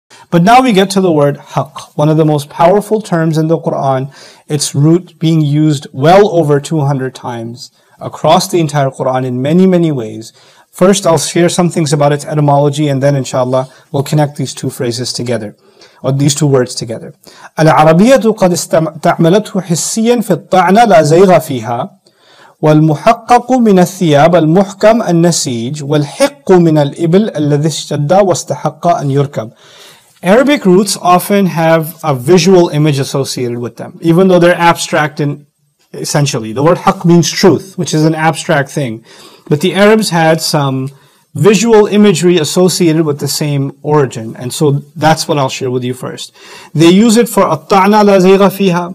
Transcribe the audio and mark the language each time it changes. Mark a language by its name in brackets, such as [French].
[English] But now we get to the word haq, one of the most powerful terms in the Qur'an, its root being used well over 200 times across the entire Qur'an in many, many ways. First, I'll share some things about its etymology, and then inshallah, we'll connect these two phrases together, or these two words together. [Arabic] Al-arabiyyatu qad istamalathu hissiyan fi at-ta'na la zayga fiha. والمحقق من الثياب المحكم النسيج والحق من الإبل الذي اشتد واستحق أن يركب. [English] Arabic roots often have a visual image associated with them, even though they're abstract and essentially. The word haq means truth, which is an abstract thing. But the Arabs had some visual imagery associated with the same origin. And so that's what I'll share with you first. They use it for [Arabic] الطعنة لا زيغة فيها.